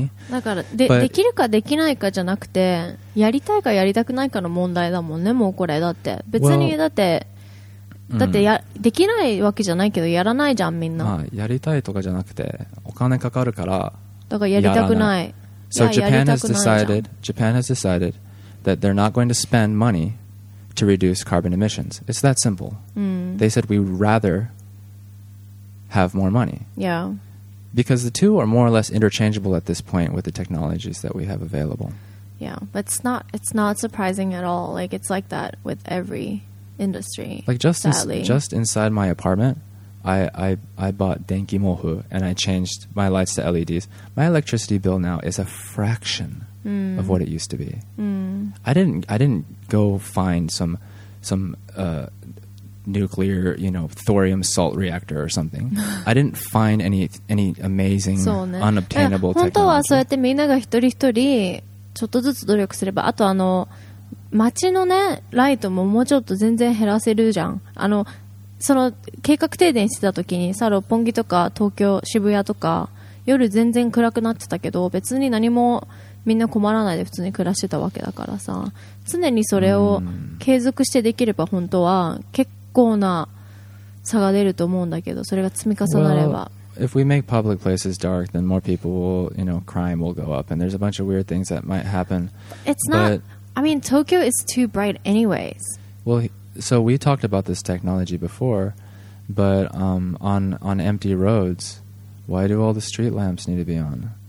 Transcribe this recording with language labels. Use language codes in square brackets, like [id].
[ja] だからできるかできないかじゃなくて、やりたいかやりたくないかの問題だもんね。もうこれだって別に、well, だってや、うん、できないわけじゃないけど、やらないじゃんみんな。まあ、やりたいとかじゃなくて、お金かかるから。だからやりたくない。 [en] So Japan has decided. Japan has decided that they're not going to spend money to reduce carbon emissions. It's that simple. They said we'd rather have more money. Yeah. Because the two are more or less interchangeable at this point with the technologies that we have available. Yeah, but it's not surprising at all. Like it's like that with every industry. Like just inside my apartment. I bought Denki Mohu and I changed my lights to LEDs. My electricity bill now is a fraction of what it used to be. I didn't go find some nuclear, you know, thorium salt reactor or something. I didn't find any amazing, [ja] そうね。 [en] unobtainable technology. [ja] 本当はそうやってみんなが一人一人ちょっとずつ努力すれば、あとあの街のねライトももうちょっと全然減らせるじゃん。あのその計画停電してた時にさ、六本木とか東京渋谷とか夜全然暗くなってたけど、別に何もみんな困らないで普通に暮らしてたわけだからさ、常にそれを継続してできれば本当は結構な差が出ると思うんだけど、それが積み重なれば、 [en] well, if we make public places dark, then more people will, you know, crime will go up and there's a bunch of weird things that might happen. It's not, I mean, Tokyo is too bright anyways. Well, so we talked about this technology before, but on empty roads, why do all the street lamps need to be on?